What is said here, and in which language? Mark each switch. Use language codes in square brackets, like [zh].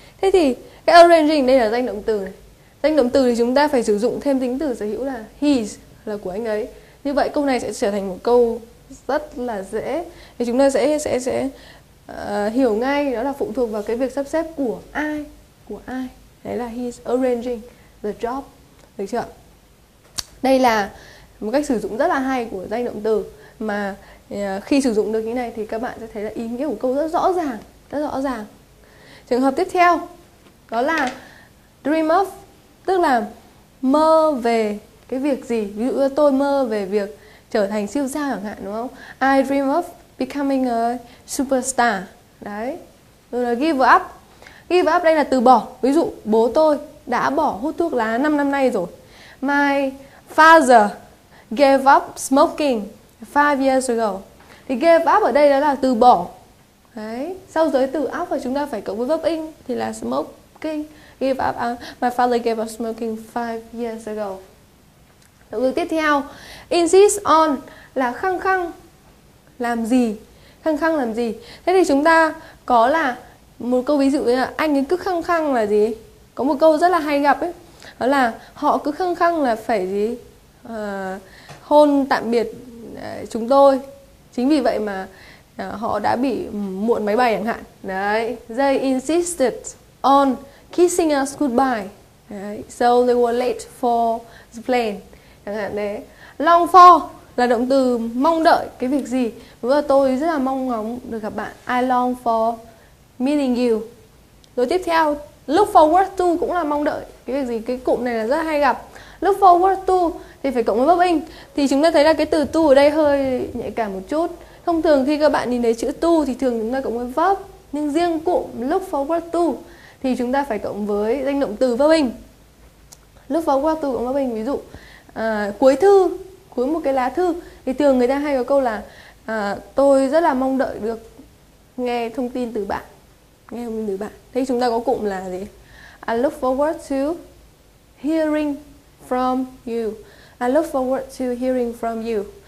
[vi] Thế thì cái arranging đây là danh động từ này. Danh động từ thì chúng ta phải sử dụng thêm tính từ sở hữu là his, là của anh ấy. Như vậy câu này sẽ trở thành một câu rất là dễ. Thì chúng ta sẽ hiểu ngay đó là phụ thuộc vào cái việc sắp xếp của ai. Của ai. [en] Đấy là his arranging the job. [vi] Được chưa? Đây là một cách sử dụng rất là hay của danh động từ. Mà khi sử dụng được như này thì các bạn sẽ thấy là ý nghĩa của câu rất rõ ràng. Rất rõ ràng. Trường hợp tiếp theo đó là dream of, tức là mơ về cái việc gì. Ví dụ tôi mơ về việc trở thành siêu sao chẳng hạn, đúng không? [en] I dream of becoming a superstar. [vi] Đấy. Rồi là give up. Give up đây là từ bỏ. Ví dụ bố tôi đã bỏ hút thuốc lá 5 năm nay rồi. [en] My father gave up smoking 5 years ago. [vi] Thì give up ở đây đó là từ bỏ. Đấy. Sau giới từ up và chúng ta phải cộng với verb in thì là smoking. [en] Give up. My father gave up smoking 5 years ago. [vi] Động từ tiếp theo, insist on là khăng khăng làm gì? Khăng khăng làm gì? Thế thì chúng ta có là một câu ví dụ như là anh ấy cứ khăng khăng là gì? Có một câu rất là hay gặp ấy, đó là họ cứ khăng khăng là phải gì? Hôn tạm biệt chúng tôi. Chính vì vậy mà họ đã bị muộn máy bay chẳng hạn. [en] Đấy, they insisted on kissing us goodbye. Đấy. So they were late for the plane. [vi] Chẳng hạn đấy. Long for là động từ mong đợi cái việc gì. Đúng là tôi rất là mong ngóng được gặp bạn. [en] I long for meeting you. [vi] Rồi tiếp theo, look forward to cũng là mong đợi cái việc gì. Cái cụm này là rất hay gặp. Look forward to thì phải cộng với verb in. Thì chúng ta thấy là cái từ to ở đây hơi nhạy cảm một chút. Thông thường khi các bạn nhìn thấy chữ to thì thường chúng ta cộng với verb. Nhưng riêng cụm look forward to thì chúng ta phải cộng với danh động từ verb in. Look forward to cộng verb in. Ví dụ cuối thư, cuối một cái lá thư thì thường người ta hay có câu là tôi rất là mong đợi được nghe thông tin từ bạn. Nghe thông tin từ bạn. Thế chúng ta có cụm là gì? [en] I look forward to hearing from you. I look forward to hearing from you.